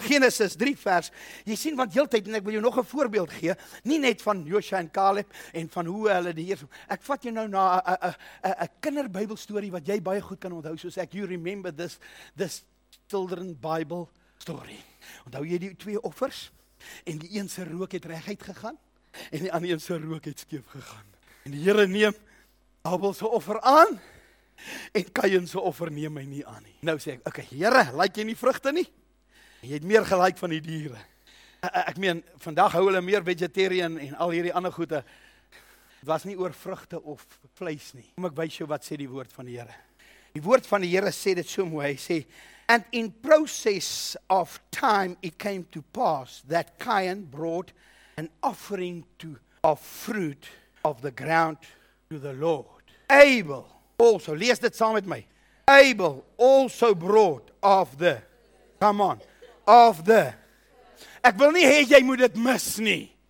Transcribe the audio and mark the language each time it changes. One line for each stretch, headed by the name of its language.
Afrikaans: Genesis 3 vers, jy sien want heeltyd, en ek wil jou nog 'n voorbeeld gee, nie net van Josua en Caleb, en van hoe hulle die Here, ek vat jou nou na a kinderbybelstorie, wat jy baie goed kan onthou, soos ek,
English: you remember this children bible story.
Afrikaans: Onthou jy die twee offers? En die een se rook het reguit gegaan en die ander een se rook het skeef gegaan. En die Here neem Abel se offer aan en Kain se offer neem hy nie aan nie. Nou sê ek, okay, Here, like jy nie vrugte nie? Jy het meer gelyk van die diere. Ek meen, vandag hou hulle meer vegetarian en al hierdie ander goede. Het was nie oor vrugte of vleis nie. Kom ek wys jou wat sê die woord van die Here. Die woord van die Here sê dit so mooi. Hy sê,
English: and in process of time it came to pass that Cain brought an offering to of fruit of the ground to the Lord. Abel also,
Afrikaans: lees dit saam met my.
English: Abel also brought of the, come on, of the.
Afrikaans: Ek wil nie hê jy moet dit mis nie.